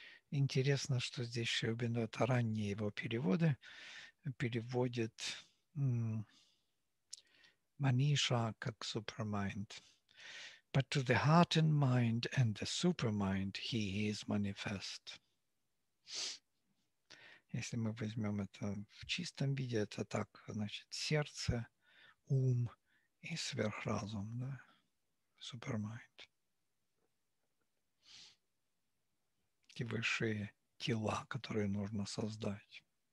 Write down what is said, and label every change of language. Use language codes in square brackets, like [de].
[ru] Интересно, что здесь Шри Аурбиндо, это ранние его переводы, переводит Маниша как супермайнд. [en] But to the heart and mind and the supermind he is manifest. [ru] если мы возьмем это в чистом виде, это так, значит, сердце, ум и сверхразум, да, супермайнд. И высшие тела, которые нужно создать.